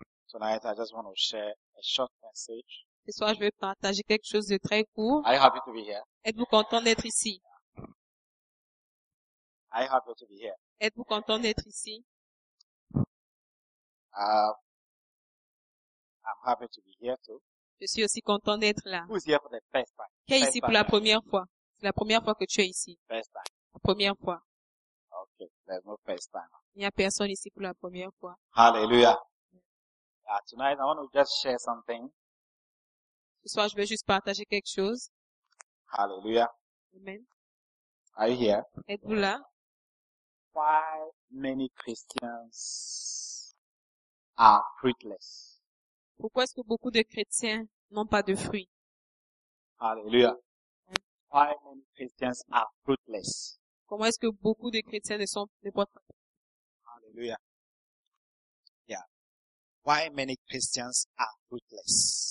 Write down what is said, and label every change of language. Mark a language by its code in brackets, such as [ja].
[en] Tonight I just want to share a short message. [fr] Ce soir je vais partager quelque chose de très court. [en] Are you happy to be here? [fr] Êtes-vous content d'être ici? [en] Are you happy to be here? [fr] Êtes-vous content d'être ici? [en] I'm happy to be here too. [fr] Je suis aussi content d'être là. [en] Who's here for the first time? [fr] Qui est ici pour la première fois? C'est la première fois que tu es ici. [en] First time. [fr] La première fois. [en] Okay, there's no first time. [fr] Il n'y a personne ici pour la première fois. [en] Hallelujah. Yeah, tonight I want to just share something. [fr] Ce soir, je veux juste partager quelque chose. [en] Hallelujah. Amen. Are you here? [fr] Êtes-vous là? [en] Why many Christians are fruitless? [fr] Pourquoi est-ce que beaucoup de chrétiens n'ont pas de fruits? [en] Hallelujah. Amen. Why many Christians are fruitless? [fr] Comment est-ce que beaucoup de chrétiens ne sont pas fruitless? [en] Hallelujah. Yeah. Why many Christians are fruitless?